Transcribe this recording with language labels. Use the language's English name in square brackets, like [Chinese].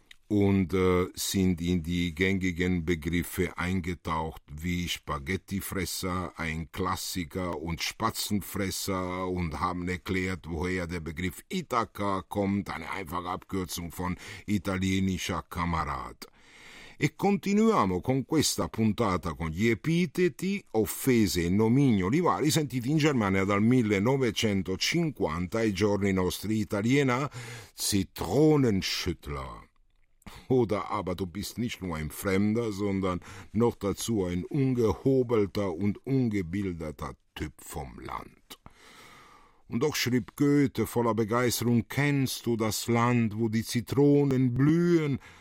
[German] und sind in die gängigen Begriffe eingetaucht wie Spaghettifresser, ein Klassiker und Spatzenfresser und haben erklärt, woher der Begriff Ithaka kommt, eine einfache Abkürzung von italienischer Kamerad. [Italian] E continuiamo con questa puntata con gli epiteti, offese e nomignoli vari sentiti in Germania dal 1950 ai giorni nostri. [German] Italiena, Zitronenschüttler. Oder aber du bist nicht nur ein Fremder, sondern noch dazu ein ungehobelter und ungebildeter Typ vom Land. Und doch schrieb Goethe voller Begeisterung, kennst du das Land, wo die Zitronen blühen?